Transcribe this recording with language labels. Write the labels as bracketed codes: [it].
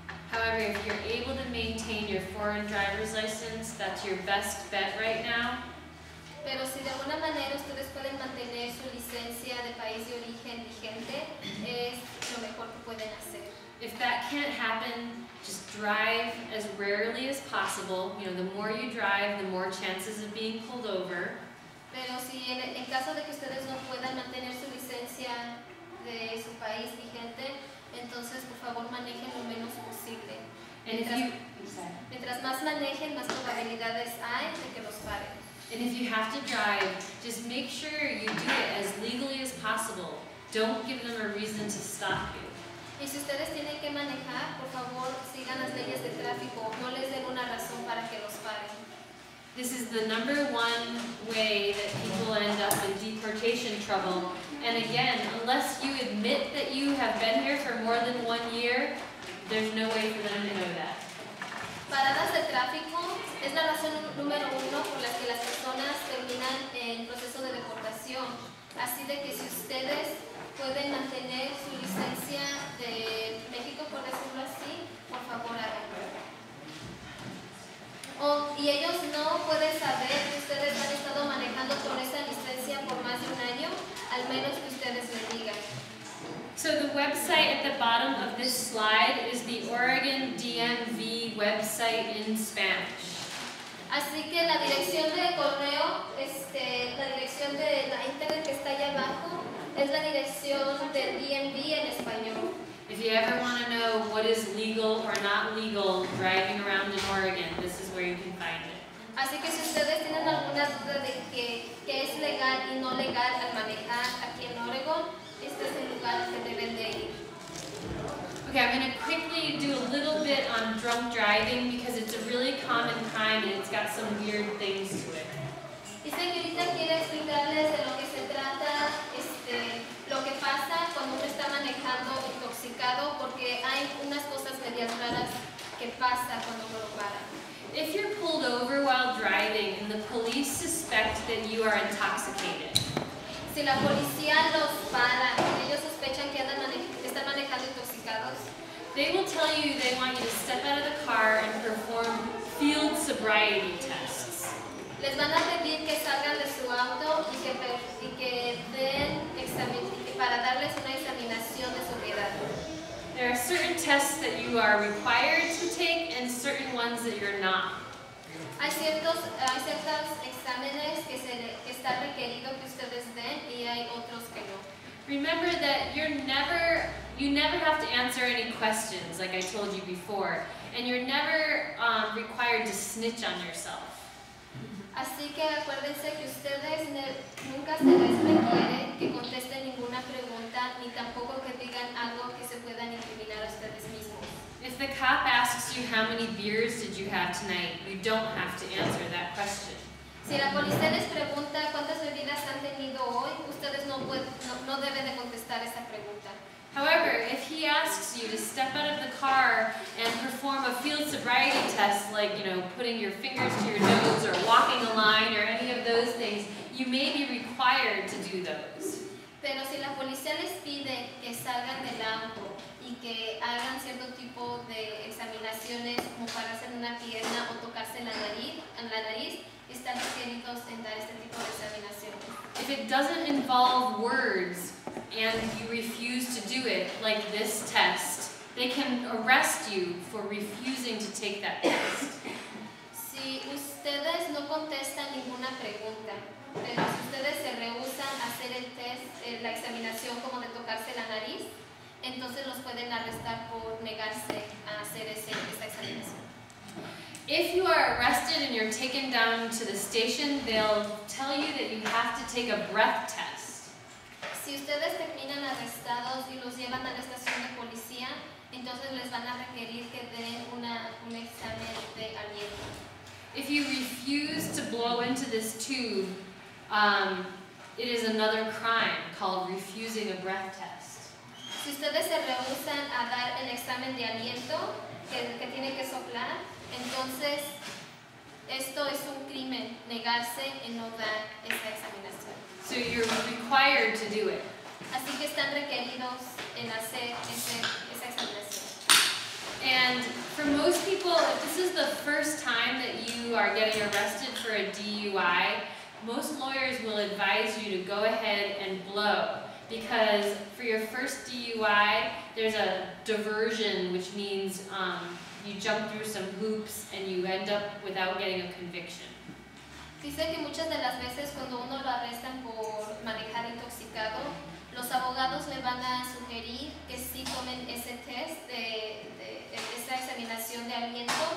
[en] However, if you're able to maintain your foreign driver's license, that's your best bet right now. [es] Pero si de alguna manera ustedes pueden mantener su licencia de país de origen vigente, es lo mejor que pueden hacer. [en] If that can't happen, just drive as rarely as possible. You know, the more you drive, the more chances of being pulled over. [es] Pero si en caso de que ustedes no puedan mantener su licencia de su país vigente, entonces por favor manejen lo menos posible. Mientras más manejen, más probabilidades hay de que los paren. [en] And if you have to drive, just make sure you do it as legally as possible. Don't give them a reason to stop you. [es] Y si ustedes tienen que manejar, por favor, sigan las leyes de tráfico. No les den una razón para que los paren. [en] This is the number one way that people end up in deportation trouble. And again, unless you admit that you have been here for more than 1 year, there's no way for them to know that. [es] Paradas de tráfico es la razón número uno por la que las personas terminan en proceso de deportación. Así de que si ustedes pueden mantener su licencia de México, por decirlo así, por favor háganlo. Y ellos no pueden saber que ustedes han estado manejando con esa licencia por más de un año, al menos que ustedes lo digan. [en] So the website at the bottom of this slide is the Oregon DMV website in Spanish. [es] Así que la dirección de correo, la dirección de la internet que está allá abajo, es la dirección del DMV en español. [en] If you ever want to know what is legal or not legal driving around in Oregon, this is where you can find it. [es] Así que si ustedes tienen alguna duda de que es legal y no legal al manejar aquí en Oregon, este es el lugar que deben de ir. [en] Okay, I'm going to quickly bit on drunk driving because it's a really common crime and it's got some weird things to it. [es] Y señorita quiere explicarles de lo que se trata, lo que pasa cuando uno está manejando intoxicado, porque hay unas cosas medias raras que pasa cuando uno lo para. [en] If you're pulled over while driving and the police suspect that you are intoxicated, [es] si la policía los para y ellos sospechan que están manejando intoxicados, [en] they will tell you they want you to step out of the car and perform field sobriety tests. [es] Les van a pedir que salgan de su auto y que den examen para darles una examinación de sobriedad. [en] There are certain tests that you are required to take and certain ones that you're not. [es] Hay ciertos exámenes que está requerido que ustedes den y hay otros que no. [en] Remember that you never have to answer any questions, like I told you before, and you're never required to snitch on yourself. [es] Así que acuérdense que ustedes nunca se les requiere que contesten ninguna pregunta ni tampoco que digan algo que se puedan incriminar a ustedes mismos. [en] If the cop asks you how many beers did you have tonight, you don't have to answer that question. [es] Si la policía les pregunta cuántas bebidas han tenido hoy, ustedes no deben de contestar esa pregunta. [en] However, if he asks you to step out of the car and perform a field sobriety test, like, you know, putting your fingers to your nose or walking a line or any of those things, you may be required to do those. [es] Pero si la policía les pide que salgan del auto y que hagan cierto tipo de examinaciones como para hacer una pierna o tocarse la nariz, están requeridos en dar este tipo de examinaciones. [en] If it doesn't involve words and you refuse to do it, like this test, they can arrest you for refusing to take that test. [es] Si ustedes no contestan ninguna pregunta, pero si ustedes se rehusan a hacer el test, la examinación como de tocarse la nariz, entonces los pueden arrestar por negarse a hacer esa examinación. [en] If you are arrested and you're taken down to the station, they'll tell you that you have to take a breath test. [es] Si ustedes terminan arrestados y los llevan a la estación de policía, entonces les van a requerir que den un examen de aliento. [en] If you refuse to blow into this tube, it is another crime called refusing a breath test. [es] Si ustedes se rehusan a dar el examen de aliento, que tiene que soplar, entonces, esto es un crimen, negarse en no dar esta examinación. [en] So you're required to do it. [es] Así que están requeridos en hacer esa examinación. [en] And for most people, if this is the first time that you are getting arrested for a DUI, most lawyers will advise you to go ahead and blow. Because for your first DUI, there's a diversion, which means you jump through some hoops and you end up without getting a conviction. [es] Dice que muchas de las veces cuando uno lo arrestan por manejar intoxicado, los abogados le van a sugerir que sí tomen ese test de esa examinación de aliento.